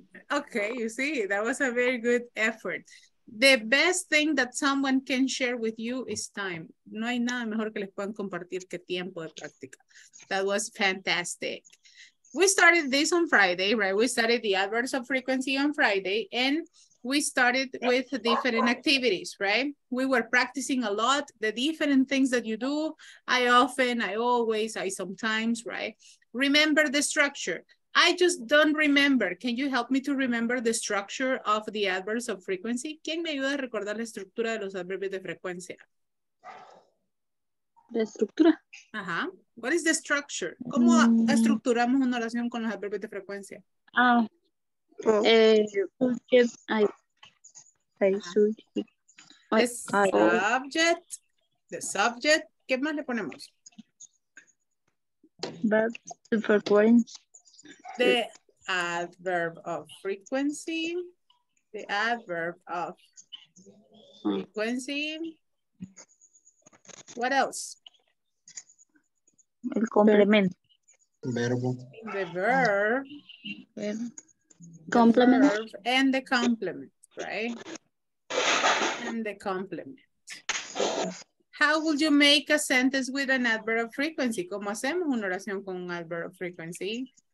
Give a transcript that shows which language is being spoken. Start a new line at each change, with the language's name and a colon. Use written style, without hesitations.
English: Okay, you see, that was a very good effort. The best thing that someone can share with you is time.
Spanish: No hay nada mejor que les puedan compartir que tiempo de práctica.
English: That was fantastic. We started this on Friday, right? We started the adverbs of frequency on Friday, and we started with different activities, right? We were practicing a lot, the different things that you do. I often, I always, I sometimes, right? Remember the structure. I just don't remember. Can you help me to remember the structure of the adverbs of frequency?
Spanish: ¿Quién me ayuda a recordar la estructura de los adverbios de frecuencia? La estructura.
English: Ajá. What is the structure?
Spanish: ¿Cómo estructuramos una oración con los adverbios de frecuencia?
English: Subject. The subject.
Spanish: ¿Qué más le ponemos?
English: Verb to perform. The adverb of frequency. The adverb of frequency. What else?
Spanish: El complemento. Verbo.
English: The verb. Complement. And the complement, right? And the complement. How would you make a sentence with an adverb of frequency?
Spanish: ¿Cómo hacemos una oración con un
English: adverb of frequency?